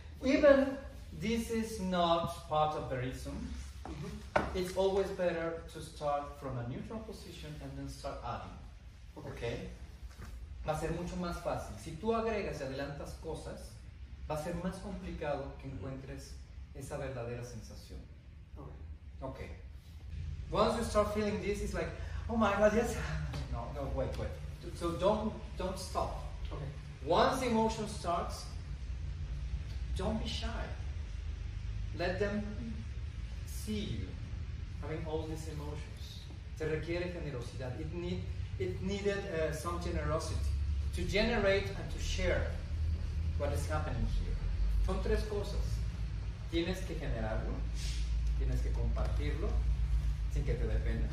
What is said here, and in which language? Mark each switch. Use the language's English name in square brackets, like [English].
[English] Even this is not part of the reason. Mm-hmm. It's always better to start from a neutral position and then start adding. Okay? Okay? [Spanish] Va a ser mucho más fácil. Si tú agregas y adelantas cosas, va a ser más complicado que encuentres esa verdadera sensación. [English] Okay. Okay. Once you start feeling this, it's like, oh my God, yes. No, no, wait, wait. So don't stop. Okay. Once emotion starts, don't be shy. Let them see you having all these emotions. [Spanish] Te requiere generosidad. [English] It needed some generosity. To generate and to share what is happening here. [Spanish] Son tres cosas. Tienes que generarlo, tienes que compartirlo, sin que te dé pena.